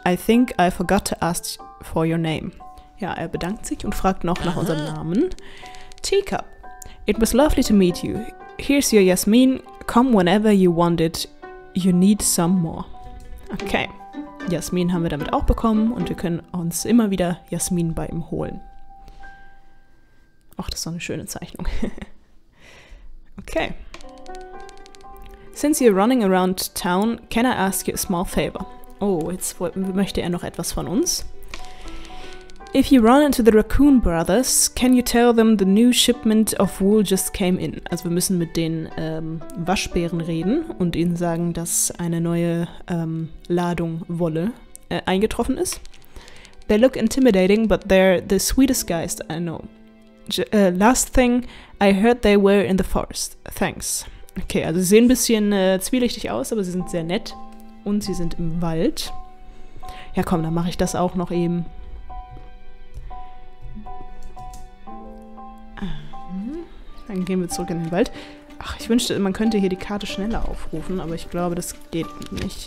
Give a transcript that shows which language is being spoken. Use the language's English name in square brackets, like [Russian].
[English] I think I forgot to ask for your name. [German] Ja, er bedankt sich und fragt noch nach unserem Namen. [English] Teacup. It was lovely to meet you. Here's your Jasmin. Come whenever you want it. You need some more. Okay. [German] Jasmin haben wir damit auch bekommen und wir können uns immer wieder Jasmin bei ihm holen. Ach, das ist doch eine schöne Zeichnung. Okay. [English] Since you're running around town, can I ask you a small favor? [German] Oh, jetzt möchte er noch etwas von uns. [English] If you run into the Raccoon Brothers, can you tell them the new shipment of wool just came in? [German] Also wir müssen mit den Waschbären reden und ihnen sagen, dass eine neue Ladung Wolle eingetroffen ist. [English] They look intimidating, but they're the sweetest guys I know. Last thing, I heard they were in the forest. Thanks. [German] Okay, also sie sehen ein bisschen zwielichtig aus, aber sie sind sehr nett. Und sie sind im Wald. Ja komm, dann mache ich das auch noch eben. Dann gehen wir zurück in den Wald. Ach, ich wünschte, man könnte hier die Karte schneller aufrufen, aber ich glaube, das geht nicht.